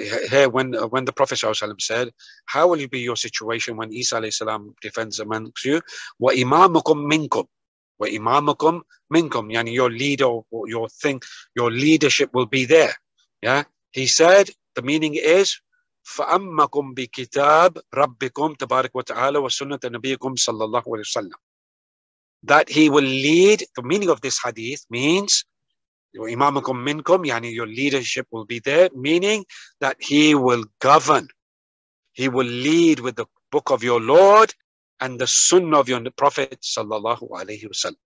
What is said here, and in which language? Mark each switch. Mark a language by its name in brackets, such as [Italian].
[English] Here, when the Prophet ﷺ said, how will it be your situation when Isa alayhi salam defends amongst you? [Arabic] Wa Imamakum Minkum. [English] Where [Arabic] Imamukum Minkum, [English] yani your leader or your thing, your leadership will be there. Yeah. [Arabic] He said, the meaning is, فَأَمَّكُمْ بِكِتَابْ رَبِّكُمْ تَبَارِكُ وَتَعَالَى وَسُنَّةَ نَبِيكُمْ صَلَّى اللَّهُ عَلَيْهِ وَسَلَّمْ. [English] That he will lead, the meaning of this hadith means, [Arabic] Imamukum Minkum, [English] yani your leadership will be there, meaning that he will govern. He will lead with the book of your Lord and the sunnah of your Prophet sallallahu alayhi wasallam.